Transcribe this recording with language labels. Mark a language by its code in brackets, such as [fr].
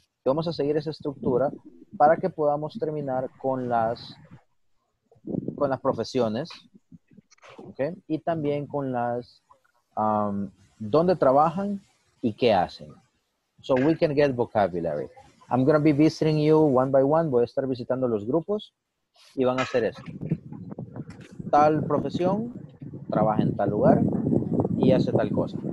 [es] Vamos a seguir esa estructura para que podamos terminar con las profesiones, okay? Y también con las dónde trabajan y qué hacen. [en] So we can get vocabulary. I'm going to be visiting you one by one. [es] Voy a estar visitando los grupos y van a hacer esto. Tal profesión trabaja en tal lugar y hace tal cosa.